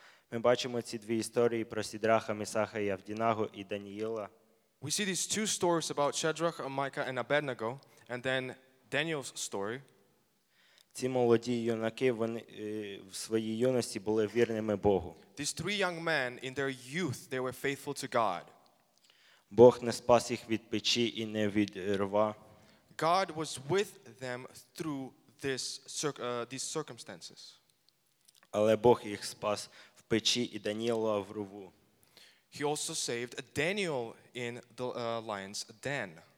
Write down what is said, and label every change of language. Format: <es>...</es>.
<uk>Ми бачимо ці дві історії про Сідраха, Місаха і Авдінаго і Даниїла.</uk> <en>We see these two stories about Shadrach, Micah and Abednego and then Daniel's story.</en> <uk>Ці молоді юнаки, вони в своїй юності були вірними Богу.</uk> <en>These three young men in their youth, they were faithful to God.</en> <uk>Бог не спас їх від печі і не від рва.</uk> <en>God was with them through these circumstances.</en> <uk>Але Бог їх спас в печі і Даніла в рву.</uk> <en>He also saved Daniel in the lion's den.</en>